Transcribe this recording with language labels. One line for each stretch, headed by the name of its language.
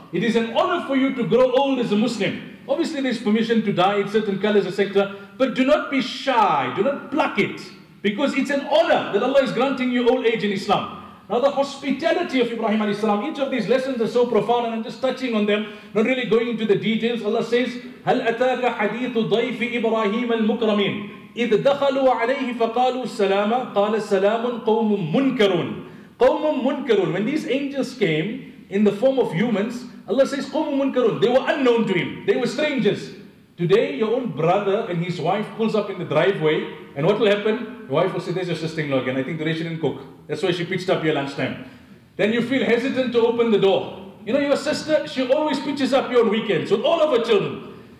English: It is an honor for you to grow old as a Muslim. Obviously, there's permission to dye in certain colors, etc. But do not be shy, do not pluck it, because it's an honor that Allah is granting you old age in Islam. Now the hospitality of Ibrahim alayhi salam, each of these lessons are so profound, and I'm just touching on them, not really going into the details. Allah says,
Arabic: هَلْ أَتَاكَ حَدِيثُ ضَيْفِ إِبْرَاهِيمَ الْمُكْرَمِينَ إِذْ دَخَلُوا عَلَيْهِ فَقَالُوا السَّلَامَ قَالَ السَّلَامٌ قَوْمٌ مُنْكَرُونَ قَوْمٌ مُنْكَرُونَ.
English: When these angels came in the form of humans, Allah says,
Arabic: قَوْمٌ مُنْكَرُونَ.
English: They were unknown to him. They were strangers. Today, your own brother and his wife pulls up in the driveway, and what will happen? Your wife will say, there's your sister-in-law again. I think today she didn't cook. That's why she pitched up your lunchtime. Then you feel hesitant to open the door. You know, your sister, she always pitches up you on weekends with all of her children.